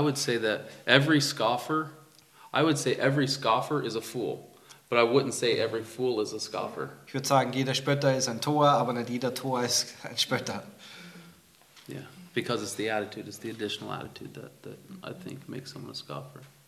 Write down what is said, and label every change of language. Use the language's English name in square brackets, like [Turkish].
[English] I would say every scoffer is a fool. But I wouldn't say every fool is a scoffer. [German] Ich würde sagen, jeder Spötter ist ein Tor, aber nicht jeder Tor ist ein Spötter. [English] Yeah, because it's the attitude, it's the additional attitude that I think makes someone a scoffer.